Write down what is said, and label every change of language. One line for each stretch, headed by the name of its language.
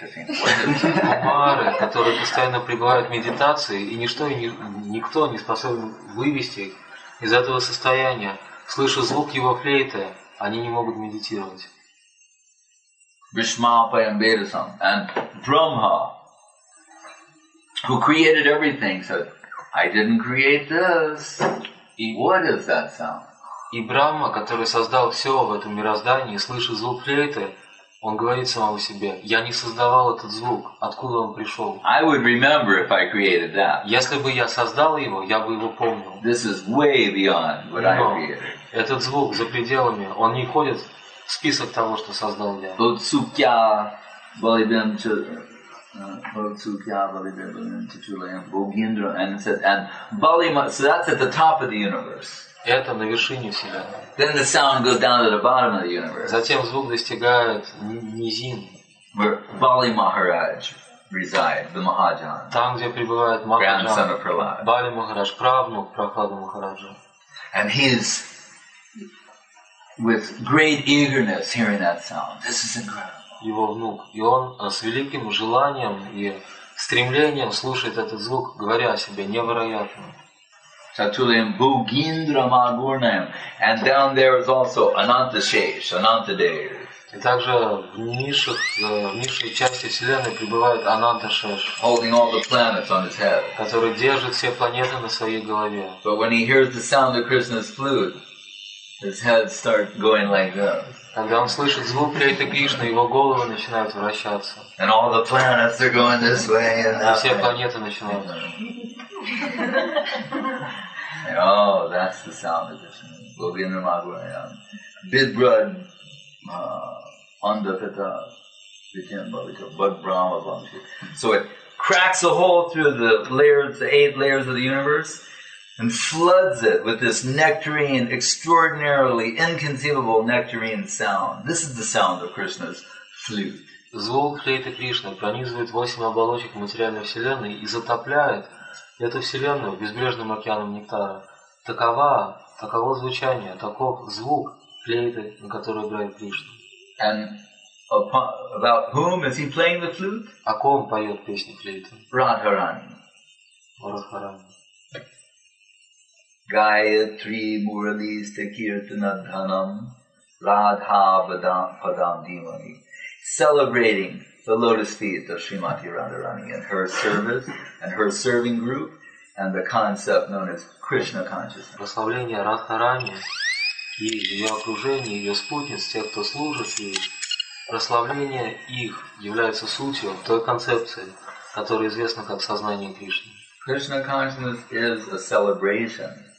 English: They think,
Russian: Kumara, которые постоянно пребывают в медитации, и ничто и никто не способен вывести их из этого состояния, слыша звук его флейты, они не могут медитировать.
Sanskrit: Vishmapayam Vedasam
English: and Brahma, who created everything, said, I didn't create this. What is that sound?
Russian: И Брахма, который создал все в этом мироздании, слыша звук флейты, он говорит самому себе, я не создавал этот звук, откуда он пришел?
English: I would remember if I created that.
Russian: Если бы я создал его, я бы его помнил.
English: This is way beyond what I created.
Russian: Этот звук за пределами, он не входит в список того, что создал я.
Sanskrit: Бодсукья Балибенча.
English: So that's at the top of the universe.
Russian: Это на вершине вселенной.
English: Then the sound goes down to the bottom of the universe.
Russian: Затем звук достигает низин,
English: where Bali Maharaj resides, the Mahajan.
Russian: Там, где пребывает Махаджан.
English: Grandson of Prahlad.
Russian: Бали Махарадж, правнук Прохлады Махараджа.
English: And he's with great eagerness hearing that sound. This is incredible.
Russian: Его внук, и он с великим желанием и стремлением слушает этот звук, говоря о себе невероятно.
Sanskrit: Chatulayam Bhugindram Agurnayam,
English: and down there is also Anantashesh, Anantadev.
Russian: И также в низшей части вселенной пребывает Ананташеш,
English: holding all the planets on his head,
Russian: который держит все планеты на своей голове.
English: But when he hears the sound of Krishna's flute, his head starts going like this.
Russian: Когда он слышит звук флейты Кришны, его головы начинают вращаться.
English: And all the planets are going this way and that.
Russian: И все планеты начинают.
English: Oh, that's the sound of this.
Sanskrit: Govinda Madhuram. Bidbrad Andapita Vityan Bhavika Bhag Brahma Bhavika.
English: So it cracks a hole through the layers, the eight layers of the universe, and floods it with this nectarine, extraordinarily inconceivable nectarine sound. This is the sound of Krishna's flute.
Russian: Звук флейты Кришны пронизывает 8 оболочек материальной вселенной и затопляет эту вселенную безбрежным океаном нектара. Таково звучание, таков звук флейты, на которую играет Кришна.
English: And about whom is he playing the flute?
Russian: О ком поет песню флейты? Радхарани. Радхарани.
Sanskrit: Gayatri Murali Stakirtanadhanam Radha Vadam Padam Dimani,
English: celebrating the lotus feet of Srimati Radharani and her service and her serving group and the concept known as Krishna consciousness.
Russian: Прославление Радхарани и ее окружение, ее спутниц, тех, кто служит ей, прославление их является сутью той концепции, которая известна как сознание Кришны.
English: Krishna consciousness is a celebration.